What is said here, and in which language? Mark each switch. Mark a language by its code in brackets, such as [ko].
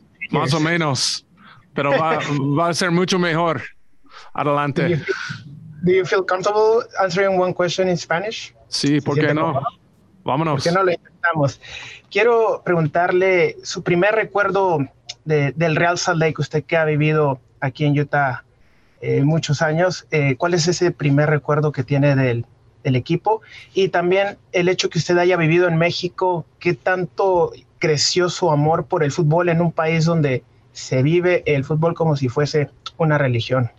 [es] Más o menos, pero va a ser mucho mejor. Adelante. [en] Do you feel comfortable answering one question in Spanish? [es] Sí, ¿por qué no? Vámonos. ¿Por qué no lo intentamos? Quiero preguntarle su primer recuerdo del Real Salt Lake, usted que ha vivido aquí en Utah muchos años. ¿Cuál es ese primer recuerdo que tiene del el equipo. Y también el hecho que usted haya vivido en México, ¿qué tanto creció su amor por el fútbol en un país donde se vive el fútbol como si fuese una religión?